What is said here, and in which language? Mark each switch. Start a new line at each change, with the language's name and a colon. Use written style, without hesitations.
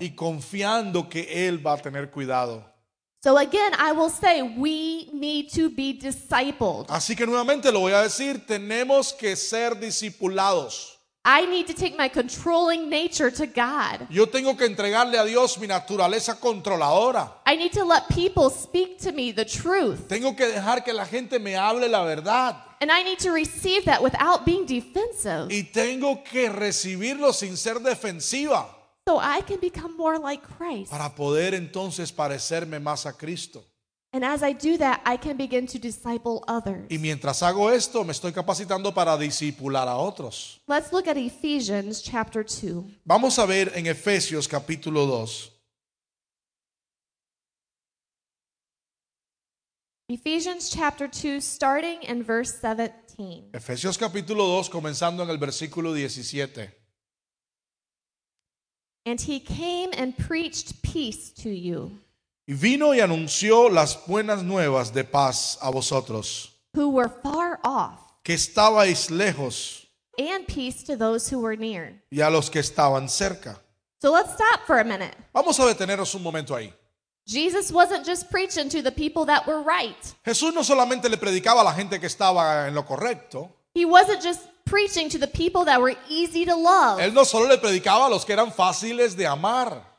Spanish: Y confiando que él va a tener cuidado.
English: So again, I will say, we need to be discipled.
Spanish: Así que nuevamente lo voy a decir, tenemos que ser discipulados.
English: I need to take my controlling nature to God.
Spanish: Yo tengo que entregarle a Dios mi naturaleza controladora.
English: I need to let people speak to me the truth.
Spanish: Tengo que dejar que la gente me hable la verdad.
English: And I need to receive that without being defensive.
Spanish: Y tengo que recibirlo sin ser defensiva.
English: So I can become more like Christ.
Spanish: Para poder entonces parecerme más a Cristo.
English: And as I do that, I can begin to disciple others.
Spanish: Y mientras hago esto, me estoy capacitando para discipular a otros.
English: Let's look at Ephesians chapter 2.
Spanish: Vamos a ver en Efesios capítulo 2.
English: Ephesians chapter 2, starting in verse 17.
Spanish: Efesios capítulo 2, comenzando en el versículo 17.
English: And he came and preached peace to you.
Spanish: Y vino y anunció las buenas nuevas de paz a vosotros.
English: Who were far off.
Spanish: Que estabais lejos.
English: And peace to those who were near.
Spanish: Y a los que estaban cerca.
English: So let's stop for a minute.
Spanish: Vamos a detenernos un momento ahí.
English: Jesus wasn't just preaching to the people that were right.
Spanish: Jesús no solamente le predicaba a la gente que estaba en lo correcto.
English: He wasn't just preaching to the people that were easy to love.
Spanish: Él no solo le predicaba a los que eran fáciles de amar.